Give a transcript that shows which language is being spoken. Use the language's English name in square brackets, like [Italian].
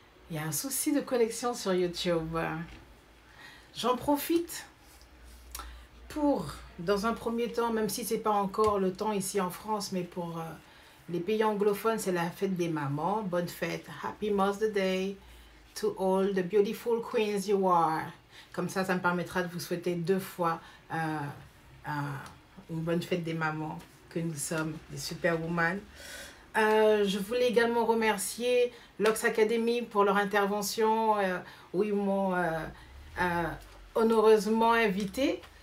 [French] Il y a un souci de connexion sur YouTube. J'en profite pour, dans un premier temps, même si ce n'est pas encore le temps ici en France, mais pour les pays anglophones, c'est la fête des mamans. Bonne fête. [English] Happy Mother's Day to all the beautiful queens you are. [French] Comme ça me permettra de vous souhaiter deux fois une bonne fête des mamans que nous sommes, des superwomen. Je voulais également remercier Lox Academy pour leur intervention où ils m'ont honoureusement invité.